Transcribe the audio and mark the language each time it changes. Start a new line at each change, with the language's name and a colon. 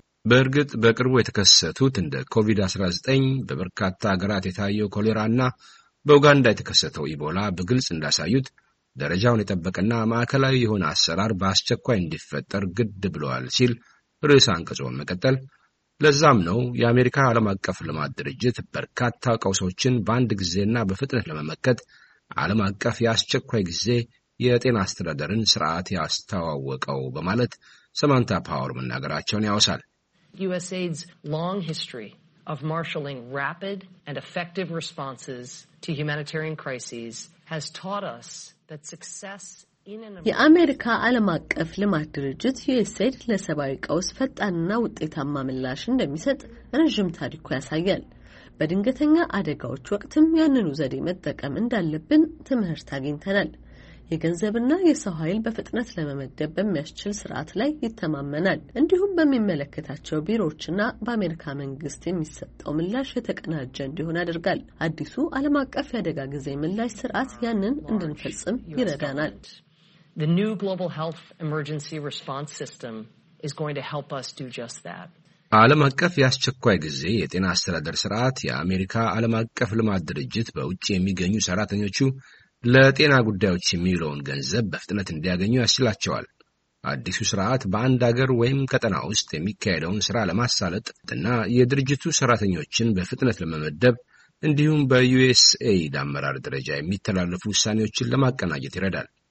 Amharic: በእርግጥ በቅርቡ የተከሰቱት እንደ ኮቪድ-19፣ በበርካታ ሀገራት የታየው ኮሌራና በኡጋንዳ የተከሰተው ኢቦላ በግልጽ እንዳሳዩት ደረጃውን የጠበቀና ማዕከላዊ የሆነ አሰራር በአስቸኳይ እንዲፈጠር ግድ ብለዋል ሲል ርዕሰ አንቀጹን መቀጠል። ለዛም ነው የአሜሪካ ዓለም አቀፍ ልማት ድርጅት በርካታ ቀውሶችን በአንድ ጊዜና በፍጥነት ለመመከት ዓለም አቀፍ የአስቸኳይ ጊዜ የጤና አስተዳደርን ስርዓት ያስተዋወቀው በማለት ሰማንታ ፓወር መናገራቸውን ያወሳል።
English: USAID's long history of marshaling rapid and effective responses to humanitarian crises has taught us that success
Amharic: የአሜሪካ ዓለም አቀፍ ልማት ድርጅት USAID ለሰብአዊ ቀውስ ፈጣንና ውጤታማ ምላሽ እንደሚሰጥ ረጅም ታሪኩ ያሳያል። በድንገተኛ አደጋዎች ወቅትም ያንኑ ዘዴ መጠቀም እንዳለብን ትምህርት አግኝተናል። የገንዘብና የሰው ኃይል በፍጥነት ለመመደብ በሚያስችል ስርዓት ላይ ይተማመናል። እንዲሁም በሚመለከታቸው ቢሮዎችና በአሜሪካ መንግስት የሚሰጠው ምላሽ የተቀናጀ እንዲሆን አድርጋል። አዲሱ ዓለም አቀፍ የአደጋ ጊዜ ምላሽ ስርዓት ያንን እንድንፈጽም ይረዳናል።
English: The new global health emergency response system is going to help us do just that.
Amharic: ዓለም አቀፍ የአስቸኳይ ጊዜ የጤና አስተዳደር ስርዓት የአሜሪካ ዓለም አቀፍ ልማት ድርጅት በውጪ የሚገኙ ሰራተኞቹ ለጤና ጉዳዮች የሚውለውን ገንዘብ በፍጥነት እንዲያገኙ ያስችላቸዋል። አዲሱ ስርዓት በአንድ አገር ወይም ቀጠና ውስጥ የሚካሄደውን ስራ ለማሳለጥና የድርጅቱ ሰራተኞችን በፍጥነት ለመመደብ እንዲሁም በዩኤስኤይድ አመራር ደረጃ የሚተላለፉ ውሳኔዎችን ለማቀናጀት ይረዳል።